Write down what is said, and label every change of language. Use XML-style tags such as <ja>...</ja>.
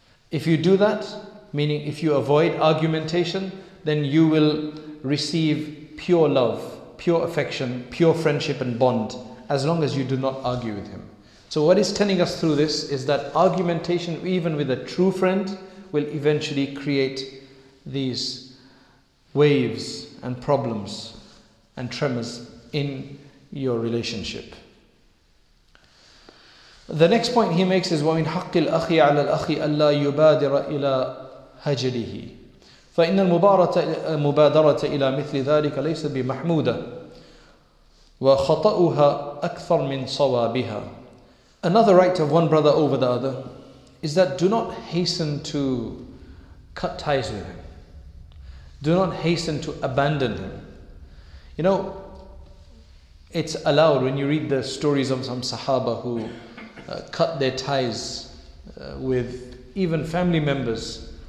<en>If you do that, meaning if you avoid argumentation, then you will receive pure love, pure affection, pure friendship and bond, as long as you do not argue with him. So what is telling us through this is that argumentation, even with a true friend, will eventually create these waves and problems and tremors in your relationship. The next point he makes is,</en> <ar>وَمِنْ حَقِّ الْأَخِي عَلَى الْأَخِي أَلَّا يُبَادِرَ إِلَى هَجْرِهِ فَإِنَّ الْمُبَادَرَةَ إِلَى مِثْلِ ذَلِكَ لَيْسَ بِمَحْمُودَةَ وَخَطَأُهَا أَكْثَر مِنْ صَوَابِهَا.</ar> <en>Another right of one brother over the other is that do not hasten to cut ties with him. Do not hasten to abandon him. You know, it's allowed when you read the stories of some Sahaba who cut their ties with even family members</en>